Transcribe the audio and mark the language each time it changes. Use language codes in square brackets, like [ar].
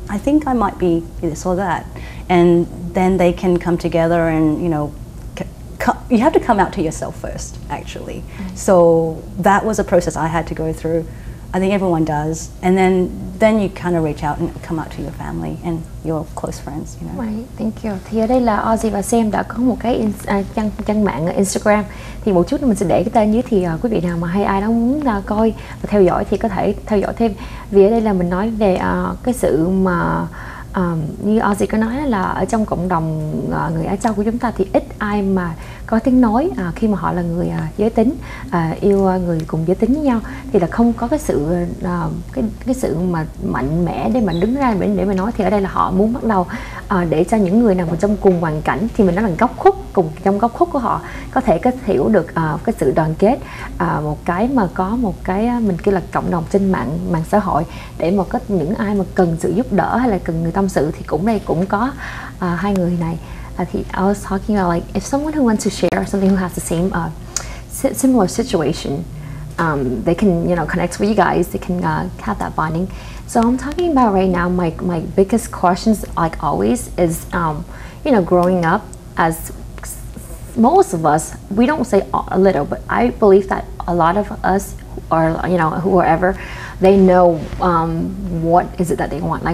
[en] I think I might be this or that. And then they can come together and, you know, you have to come out to yourself first, actually. Mm-hmm. So that was a process I had to go through. I think everyone does. And then you kind of reach out and come out to your family and your close friends, you know. Right, thank you. [vi] Thì ở đây là Aussie và Sam đã có một cái trang mạng Instagram. Thì một chút nữa mình sẽ để cái tên dưới, thì quý vị nào mà hay ai đó muốn coi và theo dõi thì có thể theo dõi thêm. Vì ở đây là mình nói về cái sự mà như Aussie có nói là ở trong cộng đồng người Á Châu của chúng ta thì ít ai mà có tiếng nói khi mà họ là người giới tính, yêu người cùng giới tính với nhau, thì là không có cái sự cái sự mà mạnh mẽ để mà đứng ra để mà nói. Thì ở đây là họ muốn bắt đầu để cho những người nào mà trong cùng hoàn cảnh, thì mình nói là góc khuất, cùng trong góc khuất của họ có thể có hiểu được cái sự đoàn kết, một cái mà có một cái mình kêu là cộng đồng trên mạng xã hội, để mà có những ai mà cần sự giúp đỡ hay là cần người tâm sự thì cũng đây cũng có hai người này. [en] I was talking about, like, if someone who wants to share something who has the same similar situation, they can, you know, connect with you guys, they can have that bonding. So I'm talking about right now, my biggest questions, like always, is you know, growing up, as most of us, we don't say a little, but I believe that a lot of us are, you know, whoever, they know what is it that they want.